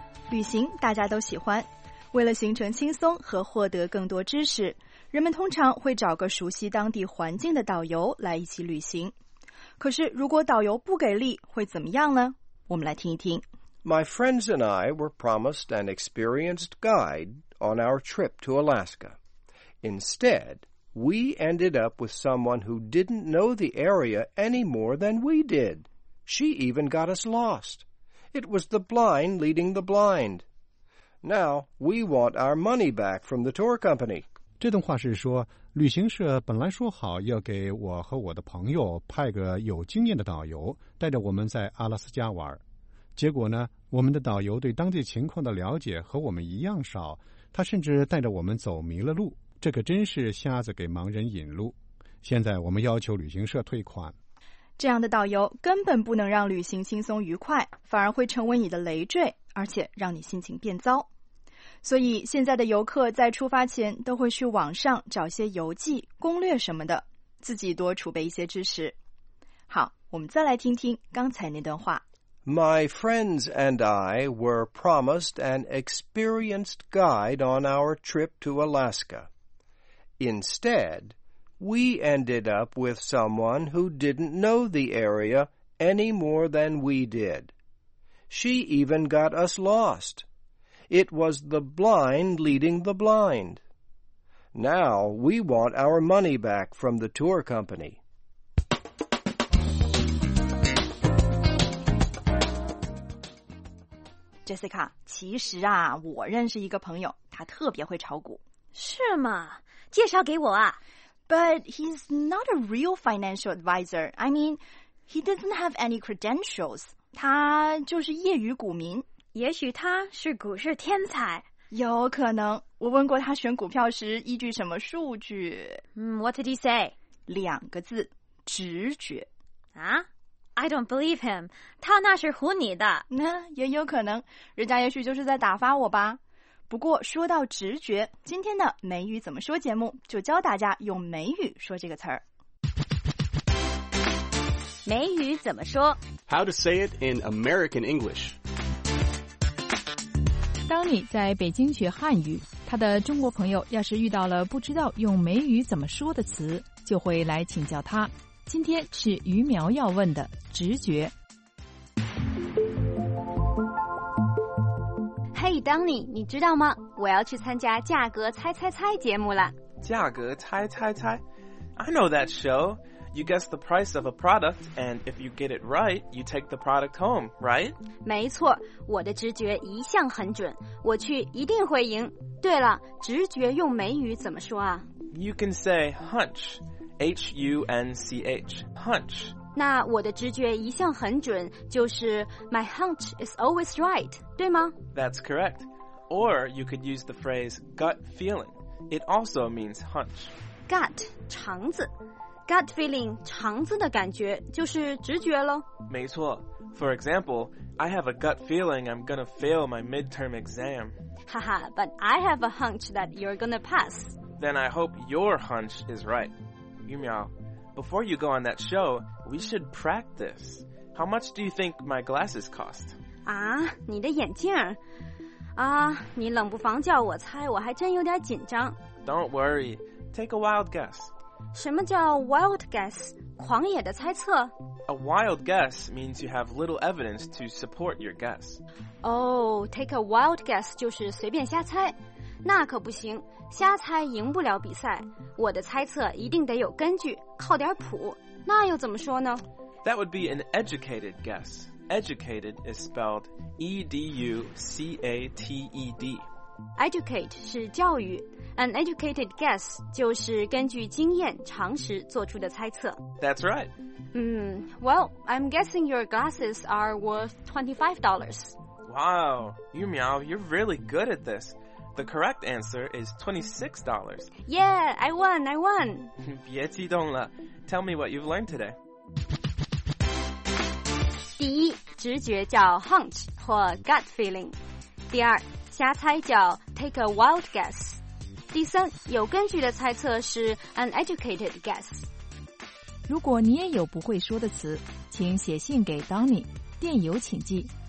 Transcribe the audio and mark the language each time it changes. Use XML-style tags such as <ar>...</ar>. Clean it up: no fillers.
<zh>旅行大家都喜欢，为了行程轻松和获得更多知识，人们通常会找个熟悉当地环境的导游来一起旅行。可是如果导游不给力会怎么样呢？我们来听一听。</zh> <en>My friends and I were promised an experienced guide on our trip to Alaska. Instead, we ended up with someone who didn't know the area any more than we did. She even got us lost. It was the blind leading the blind. Now, we want our money back from the tour company.</en> <zh>这段话是说，旅行社本来说好要给我和我的朋友派个有经验的导游，带着我们在阿拉斯加玩。结果呢，我们的导游对当地情况的了解和我们一样少，他甚至带着我们走迷了路。这可真是瞎子给盲人引路。现在我们要求旅行社退款。这样的导游根本不能让旅行轻松愉快，反而会成为你的累赘，而且让你心情变糟。所以现在的游客在出发前都会去网上找些游记、攻略什么的，自己多储备一些知识。好，我们再来听听刚才那段话。</zh> <en>My friends and I were promised an experienced guide on our trip to Alaska. Instead,We ended up with someone who didn't know the area any more than we did. She even got us lost. It was the blind leading the blind. Now we want our money back from the tour company.</en> <zh>Jessica, 其实啊，我认识一个朋友，他特别会炒股。是吗？介绍给我啊。</zh> <en>But he's not a real financial advisor. I mean, he doesn't have any credentials.</en> <zh>他就是业余股民。也许他是股市天才。有可能。我问过他选股票时依据什么数据。</zh> <en>What did he say?</en> <zh>两个字，直觉。啊？</zh> <en>I don't believe him.</en> <zh>他那是唬你的。那也有可能。人家也许就是在打发我吧。不过说到直觉，今天的美语怎么说节目就教大家用美语说这个词儿。美语怎么说</zh> <en>？How to say it in American English？</en> <zh>当你在北京学汉语，他的中国朋友要是遇到了不知道用美语怎么说的词，就会来请教他。今天是于苗要问的直觉。 Hey, Donny, 你知道吗？我要去参加《价格猜猜猜》节目了。</zh> <en>价格猜猜猜 ？I know that show. You guess the price of a product, and if you get it right, you take the product home, right?</en> <zh>没错，我的直觉一向很准，我去一定会赢。对了，直觉用美语怎么说啊</zh> <en>？You can say hunch, H-U-N-C-H, hunch.</en> <zh>那我的直觉一向很准，就是</zh> <en>My hunch is always right.</en> <zh>对吗</zh> <en>That's correct. Or you could use the phrase gut feeling. It also means hunch.</en> <zh>Gut, 肠子 Gut feeling, 肠子的感觉就是直觉咯。没错。</zh> <en>For example, I have a gut feeling I'm gonna fail my midterm exam. Haha, but I have a hunch that you're gonna pass. Then I hope your hunch is right. Yumiao, before you go on that show, we should practice. How much do you think my glasses cost?</en> <zh>啊，你的眼镜。啊，你冷不防叫我猜，我还真有点紧张。</zh> <en>Don't worry, take a wild guess.</en> <zh>什么叫 wild guess? 狂野的猜测。</zh> <en>A wild guess means you have little evidence to support your guess. Oh, take a wild guess</en> <zh>就是随便瞎猜。那可不行，瞎猜赢不了比赛。我的猜测一定得有根据，靠点谱。那又怎么说呢？</zh> <en>That would be an educated guess. Educated is spelled E-D-U-C-A-T-E-D.</en> <zh>Educate 是教育， an educated guess 就是根据经验、常识做出的猜测。</zh> <en>That's right. Well, I'm guessing your glasses are worth $25. Wow, Yumiao, you're really good at this. The correct answer is $26. Yeah, I won.</en> <zh>别激动了，</zh> <en>tell me what you've learned today.</en> <zh>第一，直觉叫 hunch 或 gut feeling。第二，瞎猜叫 take a wild guess。第三，有根据的猜测是 an educated guess。如果你也有不会说的词，请写信给 Donny， 电邮请寄</zh>